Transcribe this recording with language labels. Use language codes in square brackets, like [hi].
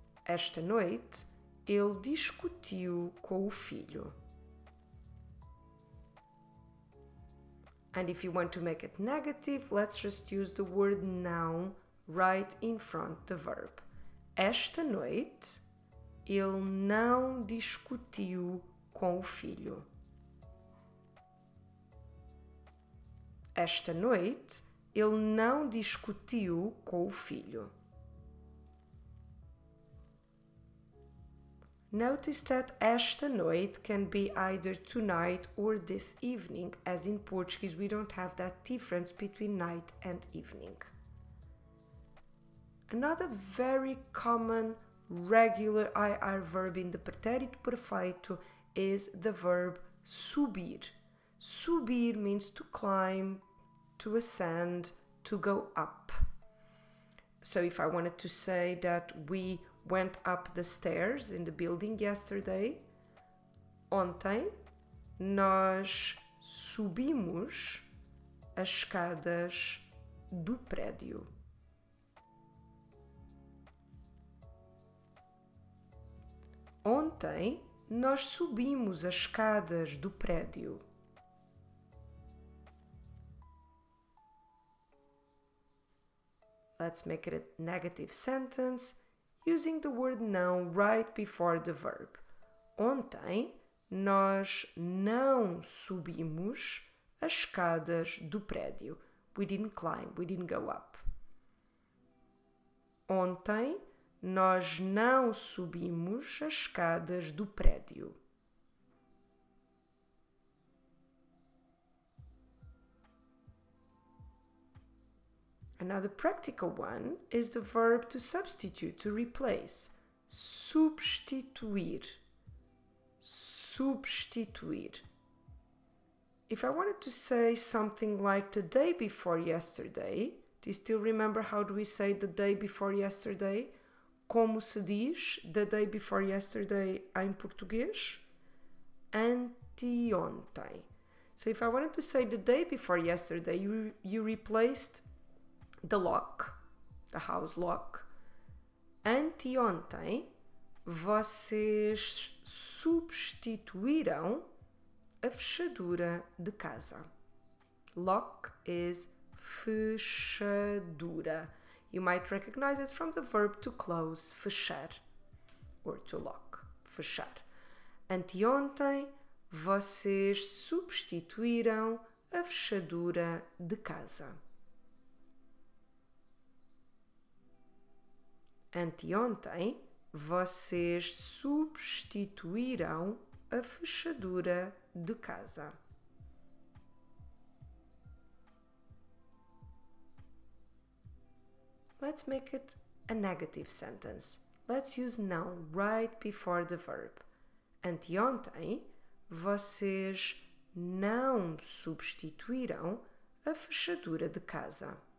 [pt] Esta noite ele discutiu com o filho. [en] And if you want to make it negative, let's just use the word noun right in front of the verb. [pt] Esta noite, ele não discutiu com o filho. Esta noite, ele não discutiu com o filho. [en] Notice that [pt] esta noite [en] can be either tonight or this evening, as in Portuguese we don't have that difference between night and evening. Another very common regular IR verb in the pretérito perfeito is the verb subir. Subir means to climb, to ascend, to go up. So if I wanted to say that we went up the stairs in the building yesterday. [pt] Ontem, nós subimos as escadas do prédio. Ontem, nós subimos as escadas do prédio. [en] Let's make it a negative sentence. Using the word não right before the verb. [pt] Ontem, nós não subimos as escadas do prédio. [en] We didn't climb, we didn't go up. [pt] Ontem, nós não subimos as escadas do prédio. [en] Another practical one is the verb to substitute, to replace. [pt] Substituir. Substituir. [en] If I wanted to say something like the day before yesterday, do you still remember how do we say the day before yesterday? [pt] Como se diz [en] the day before yesterday [pt] em português? [en] Anteontem. So if I wanted to say the day before yesterday, you replaced the lock, the house lock. [pt] Anteontem, vocês substituíram a fechadura de casa. [en] Lock is fechadura. You might recognize it from the verb to close, fechar, or to lock, fechar. [pt] Anteontem, vocês substituíram a fechadura de casa. Anteontem, vocês substituíram a fechadura de casa. [en] Let's make it a negative sentence. Let's use não right before the verb. [pt] Anteontem, vocês não substituíram a fechadura de casa.